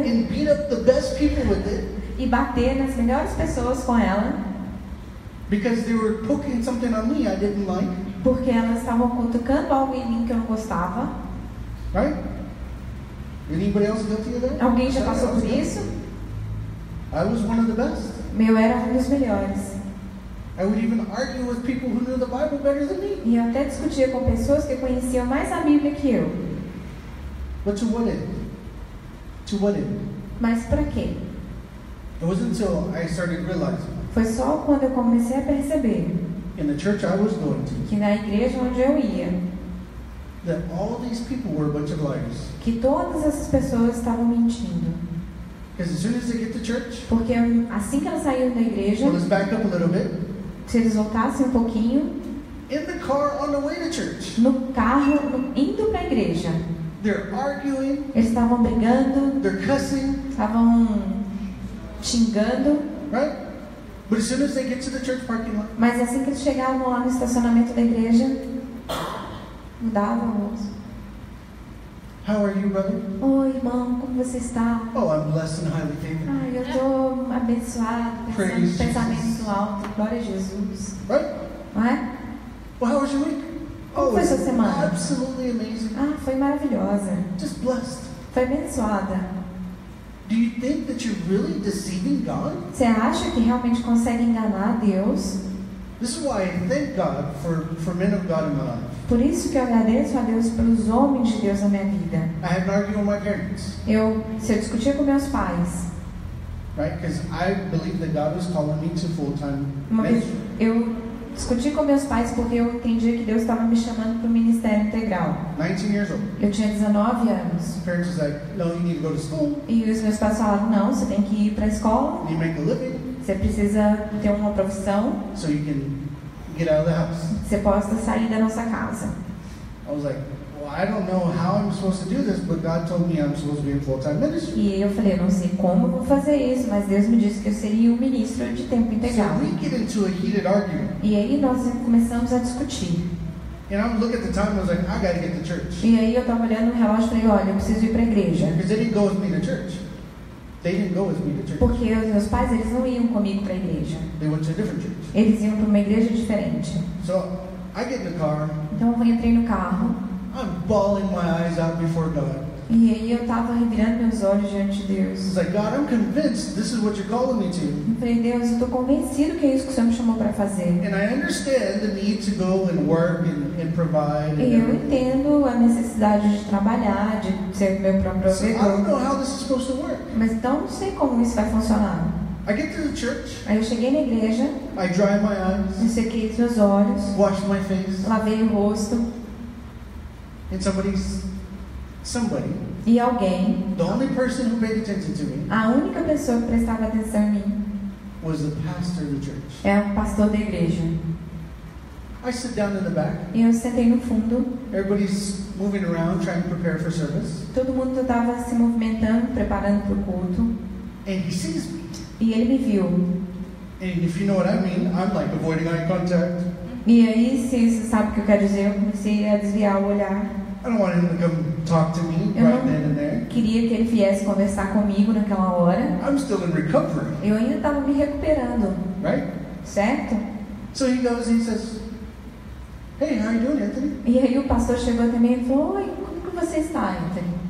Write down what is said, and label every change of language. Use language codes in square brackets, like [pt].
[en] And beat up the best people with it. [pt] E bater nas melhores pessoas com ela. [en] Because they were poking something on me I didn't like. [pt] Porque elas estavam cutucando algo em mim que eu não gostava. [en] Right? Anybody else guilty of that? [pt] Alguém já passou por isso? [en] I was one of the best. [pt] Meu era um dos melhores. [en] I would even argue with people who knew the Bible better than me. [pt] E eu até discutia com pessoas que conheciam mais a Bíblia que eu. [en] But to what end? To what end? [pt] Mas para quê? [en] It wasn't until I started realizing. [pt] Foi só quando eu comecei a perceber. [en] In the church I was going to. [pt] Que na igreja onde eu ia. [en] That all these people were a bunch of liars. [pt] Que todas essas pessoas estavam mentindo. [en] Because as soon as they get to church, [pt] porque assim que elas saíram da igreja, [en] well, let's back up a little bit, [pt] se eles voltassem um pouquinho, [en] in the car on the way to church, [pt] no carro indo para a igreja, [en] they're arguing, [pt] eles estavam brigando, [en] they're cussing, [pt] estavam xingando, [en] right? But as soon as they get to the church parking lot, [pt] mas assim que eles chegavam lá no estacionamento da igreja, mudava o rosto. [en] How are you, brother? [pt] Oi, irmão, como você está? [en] Oh, I'm blessed and highly favored. [pt] Ai, eu estou abençoado, pensando, pensamento alto, glória a Jesus. [en] Right? [pt] Não é? [en] Well, how was your week? [pt] Como foi sua semana? [en] Absolutely amazing. [pt] Ah, foi maravilhosa. [en] Just blessed. [pt] Foi abençoada. [en] Do you think that you're really deceiving God? [pt] Você acha que realmente consegue enganar Deus? [en] This is why I thank God for men of God in my life. [pt] Por isso que eu agradeço a Deus pelos homens de Deus na minha vida. [en] I had an argument with my parents. [pt] Se eu discutia com meus pais. [en] Right? Because I believe that God was calling me to full-time ministry. [pt] Eu discuti com meus pais porque eu entendia que Deus estava me chamando para o ministério integral. [en] 19 years old. [pt] Eu tinha 19 anos. [en] My parents was like, no, you need to go to school. [pt] E os meus pais falaram, não, você tem que ir para a escola. [en] You make a living. [pt] Você precisa ter uma profissão. [en] So you can get out of the house. [pt] Você possa sair da nossa casa. [en] I was like, well, I don't know how I'm supposed to do this, but God told me I'm supposed to be in full-time ministry. [pt] E eu falei, eu não sei como eu vou fazer isso, mas Deus me disse que eu seria o ministro de tempo integral. [en] So we get into a heated argument. [pt] E aí nós começamos a discutir. [en] And I'm looking at the time, I was like, I gotta get to church. [pt] E aí eu tava olhando o relógio e falei, olha, eu preciso ir pra igreja. [en] Because they didn't go with me to church. They didn't go with me to church. [pt] Porque os meus pais, eles não iam comigo pra igreja. [en] They went to a different church. [pt] Eles iam pra uma igreja diferente. [en] So, I get in the car. [pt] Então eu entrei no carro. [en] I'm bawling my eyes out before God. [pt] E aí eu tava revirando meus olhos diante de Deus. [en] I was like, God, I'm convinced this is what you're calling me to. [pt] Eu falei, Deus, eu tô convencido que é isso que o Senhor me chamou pra fazer. [en] And I understand the need to go and work and provide. [pt] E eu entendo a necessidade de trabalhar, de ser meu próprio provedor. [en] So I don't know how this is supposed to work. [pt] Mas então não sei como isso vai funcionar. [en] I get to the church. [pt] Aí eu cheguei na igreja. [en] I dry my eyes. [pt] Eu sequei os meus olhos. [en] Washed my face. [pt] Lavei o rosto. [en] And somebody's somebody. [pt] E alguém. [en] The only person who paid attention to me. [pt] A única pessoa que prestava atenção em mim. [en] Was the pastor of the church. [pt] É o pastor da igreja. [en] I sit down in the back. [pt] E eu sentei no fundo. [en] Everybody's moving around trying to prepare for service. [pt] Todo mundo estava se movimentando, preparando para o culto. [en] And he sees me. [pt] E ele me viu. [en] And if you know what I mean, I'm like avoiding eye contact. [pt] E aí, se você sabe o que eu quero dizer, eu comecei a desviar o olhar. [en] I don't want him to come talk to me right then and there. [pt] Queria que ele viesse conversar comigo naquela hora. [en] I'm still in recovery. [pt] Eu ainda estava me recuperando. [en] Right? [pt] Certo? [en] So he goes and he says, hey, how are you doing, Anthony? [pt] E aí o pastor chegou até mim e falou, oi, como que você está, Anthony?